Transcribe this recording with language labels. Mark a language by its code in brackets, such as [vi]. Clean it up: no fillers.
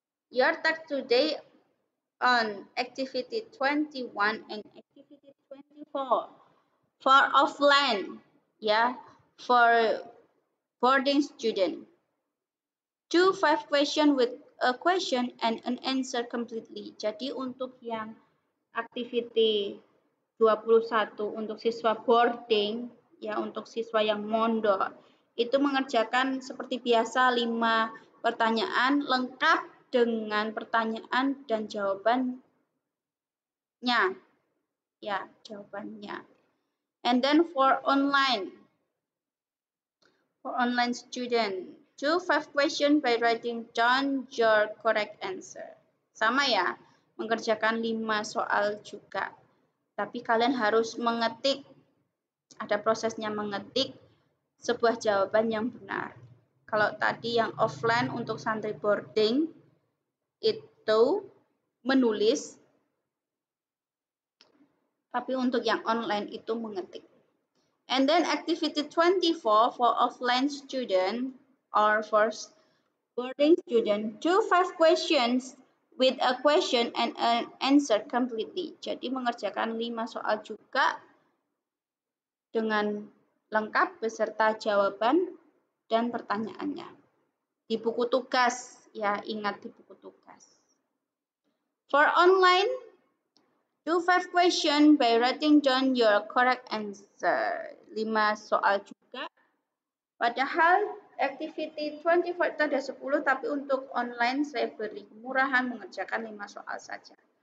[en] Your text today on activity 21 and activity 24 for offline, yeah, for boarding student. 2-5 question with a question and an answer completely. [id] Jadi untuk yang activity 21 untuk siswa boarding, ya, untuk siswa yang mondok, itu mengerjakan seperti biasa 5 pertanyaan lengkap dengan pertanyaan dan jawabannya. Ya, jawabannya. [en] And then for online student, 2-5 question by writing down your correct answer. [id] Sama ya, mengerjakan 5 soal juga. Tapi kalian harus mengetik, ada prosesnya mengetik sebuah jawaban yang benar. Kalau tadi yang offline untuk santri boarding, itu menulis, tapi untuk yang online itu mengetik. [en] And then activity 24 for offline student or for boarding student, 2-5 questions with a question and an answer completely. [id] Jadi mengerjakan 5 soal juga dengan lengkap beserta jawaban dan pertanyaannya. Di buku tugas, ya, ingat di buku tugas. [en] For online, 2-5 question by writing down your correct answer. [id] 5 soal juga. Padahal activity 24 itu ada 10, tapi untuk online saya beri kemurahan mengerjakan 5 soal saja.